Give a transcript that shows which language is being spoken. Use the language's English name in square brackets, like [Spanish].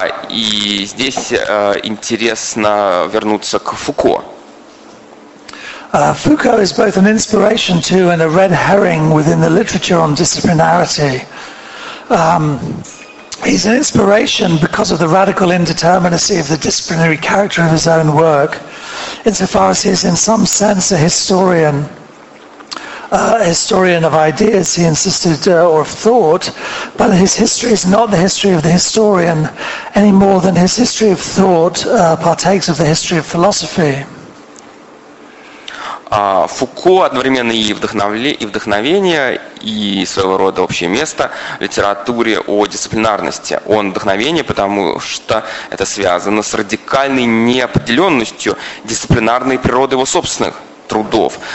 [Russian] И здесь интересно вернуться к Фуко. [English] Фуко is both an inspiration to and a red herring within the literature on disciplinarity. He's an inspiration because of the radical indeterminacy of the disciplinary character of his own work, insofar as he is in some sense a historian of ideas, he insisted, or of thought, but his history is not the history of the historian any more than his history of thought partakes of the history of philosophy. [Russian] Фуко одновременно и вдохновение, и своего рода общее место в литературе о дисциплинарности. Он вдохновение, потому что это связано с радикальной неопределенностью дисциплинарной природы его собственных трудов.